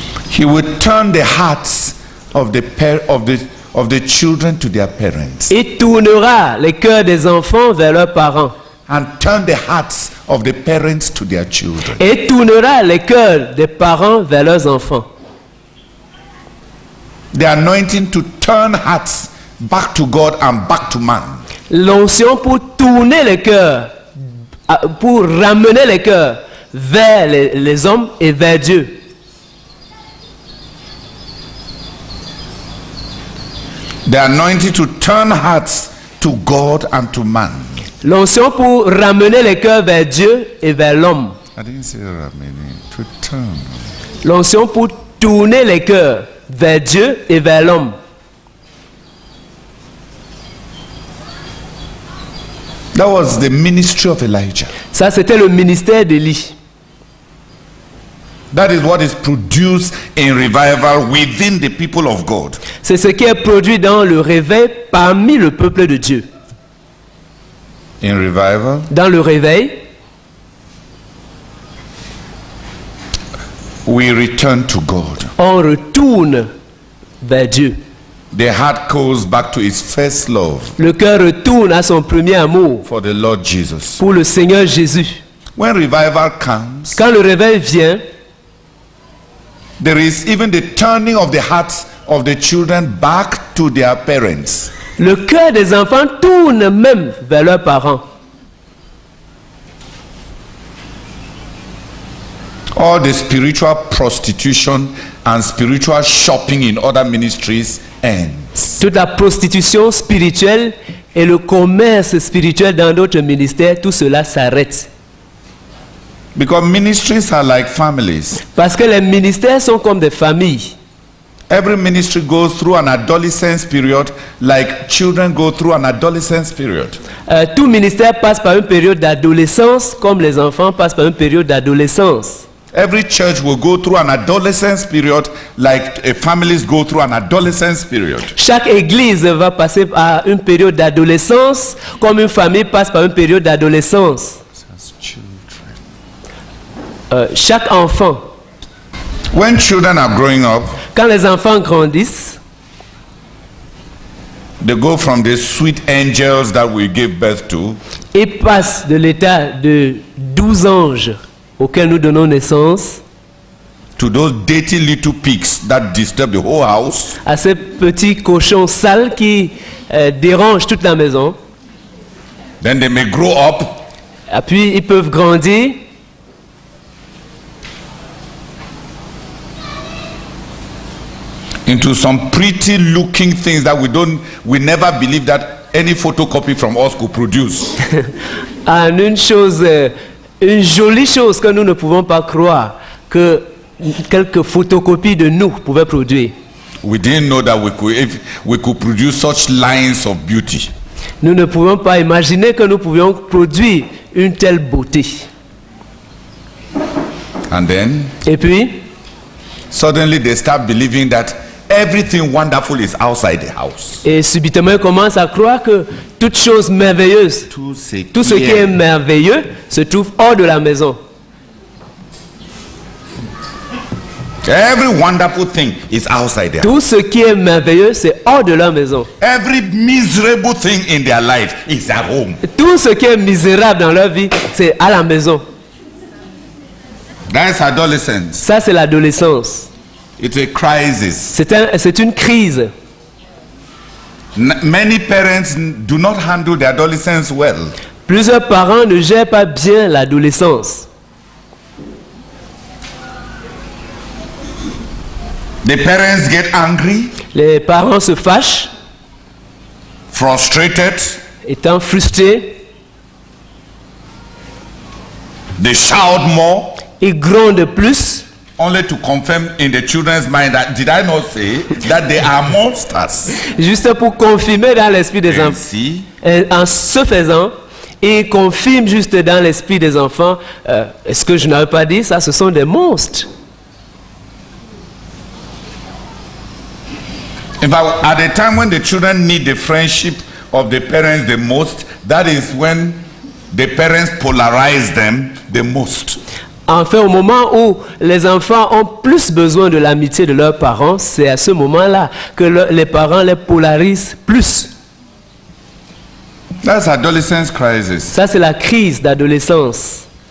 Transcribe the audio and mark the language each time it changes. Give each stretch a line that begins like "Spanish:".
English: He will turn the hearts of the pair of the children to their parents.
French: Il tournera les cœurs des enfants vers leurs parents.
English: And turn the hearts of the parents to their children.
French: Et tournera les cœurs des parents vers leurs enfants.
English: The anointing to turn hearts back to God and back to man.
French: L'onction pour tourner les cœurs, pour ramener les cœurs vers les hommes et vers Dieu.
English: The anointing to turn hearts to God and to man.
French: L'onction pour ramener les cœurs vers Dieu et vers l'homme.
English: I didn't say ramener, to turn.
French: L'onction pour tourner les cœurs vers Dieu et vers l'homme.
English: That was the ministry of Elijah.
French: Ça c'était le ministère d'Élie.
English: That is what is produced in revival within the people of God.
French: C'est ce qui est produit dans le réveil parmi le peuple de Dieu.
English: In revival.
French: Dans le réveil.
English: We return to God.
French: On retourne vers Dieu.
English: The heart goes back to its first love.
French: Le cœur retourne à son premier amour.
English: For the Lord Jesus.
French: Pour le Seigneur Jésus.
English: When revival comes.
French: Quand le réveil vient.
English: There is even the turning of the hearts of the children back to their parents.
French: Le cœur des enfants tourne même vers leurs parents.
English: All the spiritual prostitution and spiritual shopping in other ministries ends.
French: Toute la prostitution spirituelle et le commerce spirituel dans d'autres ministères, tout cela s'arrête.
English: Because ministries are like families.
French: Parce que les ministères sont comme des familles.
English: Every ministry goes through an adolescence period, like children go through an adolescence period.
French: Tout ministère passe par une période d'adolescence, comme les enfants passent par une période d'adolescence.
English: Every church will go through an adolescence period, like a families go through an adolescence period.
French: Chaque église va passer par une période d'adolescence, comme une famille passe par une période d'adolescence. Chaque enfant.
English: When children are growing up,
French: quand les enfants grandissent,
English: they go from the sweet angels that we give birth to.
French: Ils passent de l'état de 12 anges auxquels nous donnons naissance.
English: to those dirty little pigs that disturb the whole house.
French: À ces petits cochons sales qui dérangent toute la maison.
English: Then they may grow up.
French: Et puis ils peuvent grandir.
English: Into some pretty looking things that we never believe that any photocopy from us could produce.
French: En une chose, une jolie chose que nous ne pouvons pas croire que quelques photocopies de nous pouvaient produire.
English: We didn't know that we could produce such lines of beauty.
French: Nous ne pouvons pas imaginer que nous pouvions produire une telle beauté.
English: And then,
French: et puis,
English: suddenly they start believing that everything wonderful is outside the house.
French: Et subitement, ils commencent à croire que toute chose merveilleuse, tout ce qui est merveilleux, se trouve hors de la maison.
English: Every wonderful thing is outside their house.
French: Tout ce qui est merveilleux, c'est hors de leur maison.
English: Every miserable thing in their life is at home.
French: Tout ce qui est misérable dans leur vie, c'est à la maison.
English: That's adolescence.
French: Ça, c'est l'adolescence.
English: It's a crisis.
French: C'est une crise.
English: Many parents do not handle the adolescence well.
French: Plusieurs parents ne gèrent pas bien l'adolescence.
English: The parents get angry.
French: Les parents se fâchent.
English: Frustrated.
French: Étant frustrés.
English: They shout more.
French: Ils grondent plus.
English: Only to confirm in the children's mind that did I not say that they are monsters?
French: Juste pour confirmer dans l'esprit des enfants. En se faisant, ils confirment juste dans l'esprit des enfants. Est-ce que je n'avais pas dit ça? Ce sont des monstres.
English: In fact, at the time when the children need the friendship of the parents the most, that is when the parents polarize them the most.
French: Enfin, au moment où les enfants ont plus besoin de l'amitié de leurs parents, c'est à ce moment-là que les parents les polarisent plus.
English: That's adolescence crisis.
French: Ça, c'est la crise d'adolescence.